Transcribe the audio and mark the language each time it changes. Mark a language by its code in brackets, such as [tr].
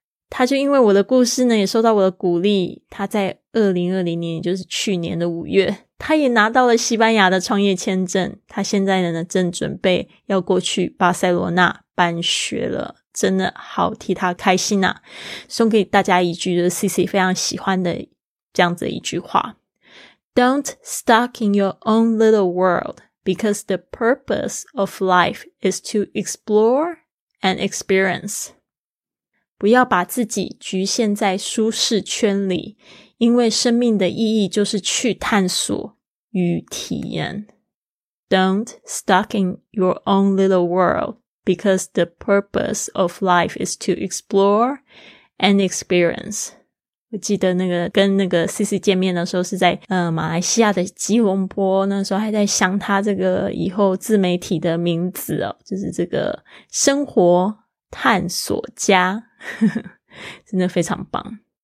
[zh] 他就因为我的故事呢也受到我的鼓励，他在2020年就是去年的5月，他也拿到了西班牙的创业签证，他现在呢正准备要过去巴塞罗那办学了，真的好替他开心啊。送给大家一句就是 CC 非常喜欢的这样子一句话， [en] Don't stuck in your own little world, because the purpose of life is to explore and experience. [zh] 不要把自己局限在舒适圈里，因为生命的意义就是去探索与体验。 [en] Don't stuck in your own little world, because the purpose of life is to explore and experience. [zh] 我记得那个跟那个 CC 见面的时候是在马来西亚的吉隆坡，那时候还在想他这个以后自媒体的名字哦，就是这个生活探索家真的非常棒。